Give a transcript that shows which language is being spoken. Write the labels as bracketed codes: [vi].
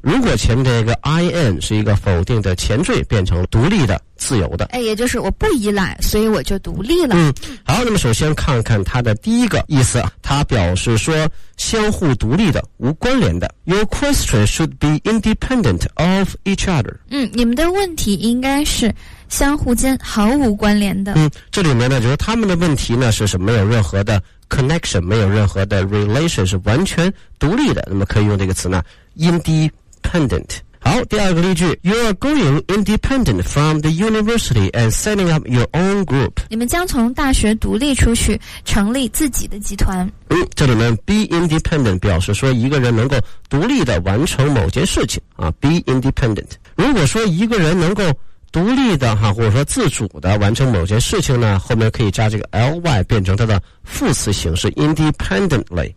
[zh] 如果前面这个 in 是一个否定的前缀，变成独立的。自由的，也就是我不依赖，所以我就独立了。好，那么首先看看它的第一个意思，它表示说相互独立的，无关联的。 [en] Your question should be independent of each other。 [zh] 你们的问题应该是相互间毫无关联的。这里面呢，就是他们的问题呢是什么，没有任何的 connection, 没有任何的 relation, 是完全独立的。那么可以用这个词呢 ，independent。好，第二个例句 [en] ,You are going independent from the university and setting up your own group. [zh] 你们将从大学独立出去，成立自己的集团。这里面 be independent 表示说一个人能够独立的完成某件事情啊 ,be independent。如果说一个人能够独立的哈，或者说自主的完成某件事情呢，后面可以加这个 ly 变成它的副词形式 independently。